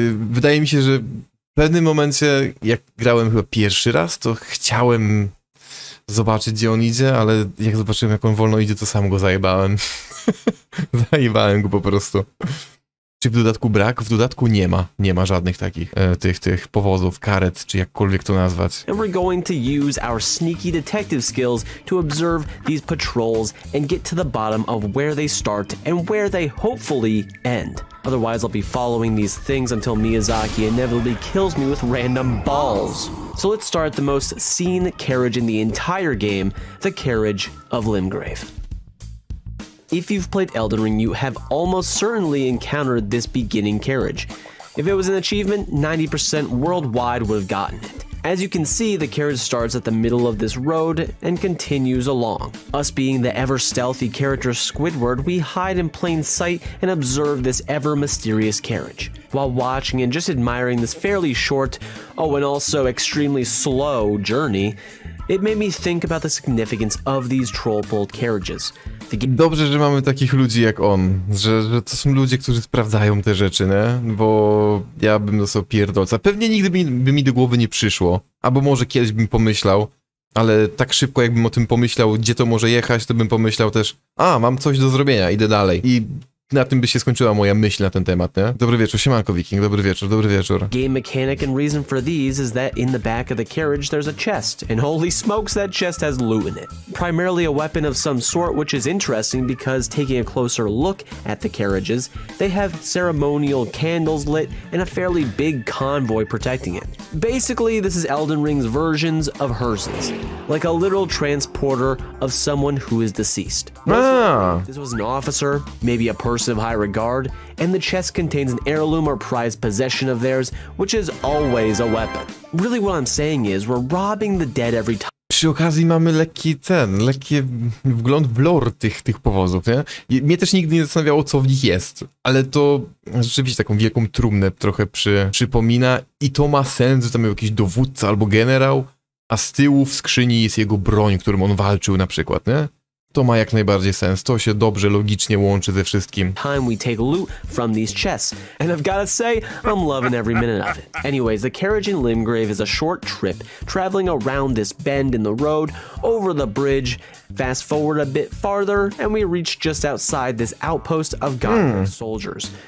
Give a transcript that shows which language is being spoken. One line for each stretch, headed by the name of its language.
Polish: Wydaje mi się, że w pewnym momencie, jak grałem chyba pierwszy raz, to chciałem zobaczyć, gdzie on idzie, ale jak zobaczyłem, jak on wolno idzie, to sam go zajebałem. Zajebałem go po prostu. Czy w dodatku brak? W dodatku nie ma. Nie ma żadnych takich tych powozów, karet, czy jakkolwiek to nazwać.
English: And we're going to use our sneaky detective skills to observe these patrols and get to the bottom of where they start and where they hopefully end. Otherwise, I'll be following these things until Miyazaki inevitably kills me with random balls. So let's start the most seen carriage in the entire game, the carriage of Limgrave. If you've played Elden Ring, you have almost certainly encountered this beginning carriage. If it was an achievement, 90% worldwide would have gotten it. As you can see, the carriage starts at the middle of this road and continues along. Us being the ever stealthy character Squidward, we hide in plain sight and observe this ever mysterious carriage. While watching and just admiring this fairly short, oh, and also extremely slow journey, it made me think about the significance of these troll-pulled carriages.
Polish: Dobrze, że mamy takich ludzi jak on, że to są ludzie, którzy sprawdzają te rzeczy, nie? Bo ja bym dostał pierdolca. Pewnie nigdy by mi do głowy nie przyszło. Albo może kiedyś bym pomyślał, ale tak szybko jakbym o tym pomyślał, gdzie to może jechać, to bym pomyślał też, a, mam coś do zrobienia, idę dalej. I na tym by się skończyła moja myśl na ten temat, nie? Dobry wieczór, siemanko Viking, dobry wieczór.
English: Game mechanic and reason for these is that in the back of the carriage there's a chest, and holy smokes, that chest has loot in it. Primarily a weapon of some sort, which is interesting because taking a closer look at the carriages, they have ceremonial candles lit and a fairly big convoy protecting it. Basically, this is Elden Ring's versions of hearses, like a literal transporter of someone who is deceased. This was an officer, maybe a person of high regard, and the chest contains an heirloom or prized possession of theirs, which is always a weapon. Really what I'm saying is, we're robbing the dead every time.
Polish: Przy okazji mamy lekki wgląd w lore tych powozów, nie? Mnie też nigdy nie zastanawiało, co w nich jest, ale to rzeczywiście taką wielką trumnę trochę przypomina i to ma sens, że tam był jakiś dowódca albo generał, a z tyłu w skrzyni jest jego broń, którym on walczył na przykład, nie? To ma jak najbardziej sens. To się dobrze logicznie łączy ze wszystkim.
English: Time we take loot from these chests. And I've gotta say, I'm loving every minute of it. Anyways, the carriage in Limgrave is a short trip, traveling around this bend in the road, over the bridge, fast forward a bit farther, and we reach just outside this outpost of Gotham soldiers.